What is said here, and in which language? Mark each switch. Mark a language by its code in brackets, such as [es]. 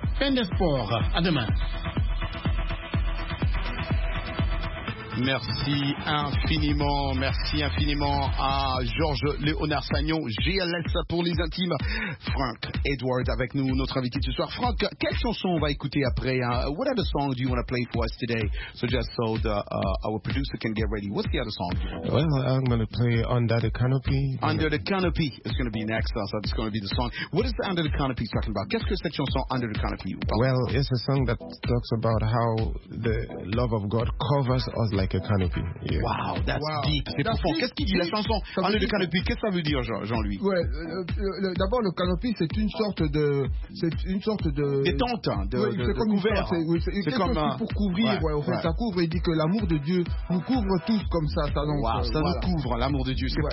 [fr] Fin des sports, à demain. Merci infiniment à Georges Léonard Sagnon, GLS pour les intimes. Frank Edward avec nous, notre invité ce soir. Frank, quelle chanson on va écouter après? [en] What other song do you want to play for us today? So just so our producer can get ready. What's the other song? Well, I'm going to play Under the Canopy. Under the Canopy is going to be next. So that's going to be the song. What is the Under the Canopy talking about? [fr] Qu'est-ce que cette chanson Under the Canopy? [en] Well, it's a song that talks about how the love of God covers us like a canopy. Yeah. Wow, that's wow. Deep. [fr] C'est [en] that's [fr] profond. Qu'est-ce qu'il dit, la chanson Under the Canopy? Qu'est-ce que ça veut dire, Jean-Louis? Ouais, d'abord, le canopy, c'est une sorte de... Détente. C'est comme couvert. C'est comme pour couvrir. Ouais, ouais, ouais. Ça couvre. Il dit que l'amour de Dieu nous couvre tous comme ça. Ça, donc, wow, ça voilà. Nous couvre, l'amour de Dieu. C'est ouais.